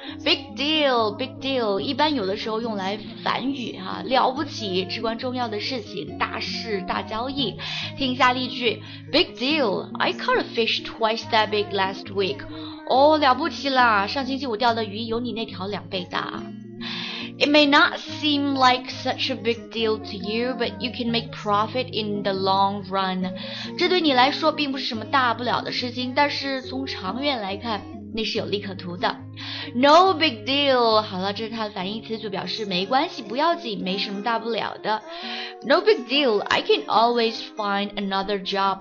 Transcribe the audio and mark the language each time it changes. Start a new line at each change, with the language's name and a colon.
English: Big deal, big deal,
Chinese: 一般有的时候用来反语哈、啊，了不起，至关重要的事情，大事大交易。听一下例句
English: ，Big deal, I caught a fish twice that big last week.
Chinese: 哦，了不起啦，上星期我钓的鱼有你那条两倍大。
English: It may not seem like such a big deal to you, but you can make profit in the long run.
Chinese: 这对你来说并不是什么大不了的事情，但是从长远来看，那是有利可图的。
English: No big deal.
Chinese: 好了，这是它的反义词，就表示没关系，不要紧，没什么大不了的。
English: No big deal. I can always find another job.